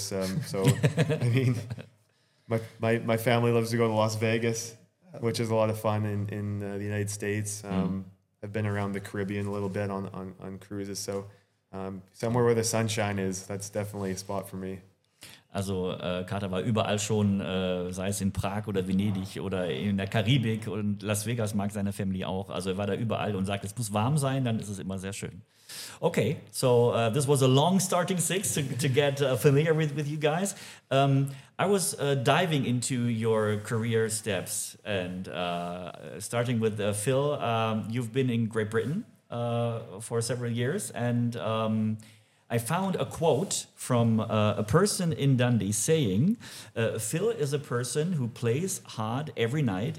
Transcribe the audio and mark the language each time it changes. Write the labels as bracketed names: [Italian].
[English] So, I mean, my family loves to go to Las Vegas, which is a lot of fun in the United States. I've been around the Caribbean a little bit on cruises. So somewhere where the sunshine is, that's definitely a spot for me. [German] Also Carter war überall schon, sei es in Prag oder Venedig oder in der Karibik und Las Vegas mag seine Family auch. Also er war da überall und sagt, es muss warm sein, dann ist es immer sehr schön. [English] Okay, so this was a long starting six to get familiar with you guys. I was diving into your career steps and starting with Phil, you've been in Great Britain for several years and I found a quote from a person in Dundee saying, Phil is a person who plays hard every night.